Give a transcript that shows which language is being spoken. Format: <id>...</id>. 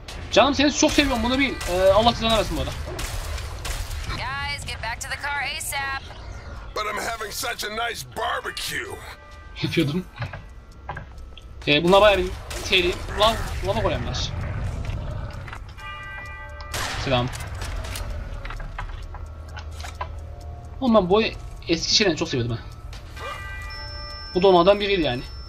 <tr>Canım seni çok seviyorum bunu bil. Allah sizden arasın bu arada.</tr> <en>Guys, get back to the car ASAP. But I'm having such a nice barbecue.</en> <tr>Yapıyordum. Bunlar bayağı bir şeyli. Lav golemler. Selam. Oğlum ben bu eski şeyleri çok seviyordum ben. Bu da onlardan biriydi yani.</tr>